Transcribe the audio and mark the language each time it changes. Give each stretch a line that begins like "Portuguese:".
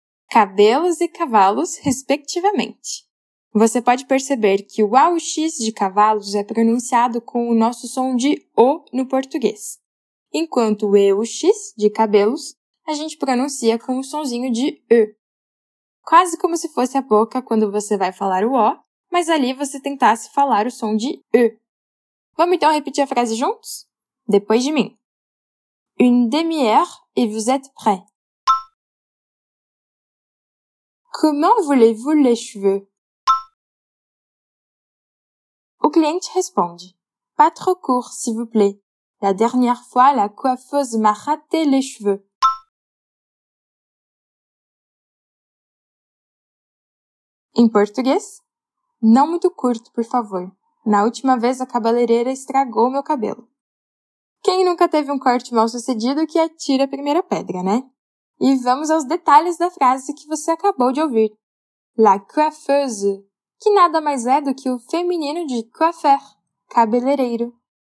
Portuguese: Cabelos e cavalos, respectivamente. Você pode perceber que o A, o X de cavalos é pronunciado com o nosso som de O no português. Enquanto o E ou X, de cabelos, a gente pronuncia com o sonzinho de E. Quase como se fosse a boca quando você vai falar o O, mas ali você tentasse falar o som de E. Vamos então repetir a frase juntos? Depois de mim.
French: Une demi-heure et vous êtes prêt. Comment voulez-vous les cheveux?
Portuguese: O cliente responde.
French: Pas trop court, s'il vous plaît. La dernière fois, la coiffeuse m'a raté les cheveux.
Portuguese: Em português, não muito curto, por favor. Na última vez, a cabeleireira estragou meu cabelo. Quem nunca teve um corte mal sucedido que atira a primeira pedra, né? E vamos aos detalhes da frase que você acabou de ouvir. La coiffeuse, que nada mais é do que o feminino de coiffeur, cabeleireiro.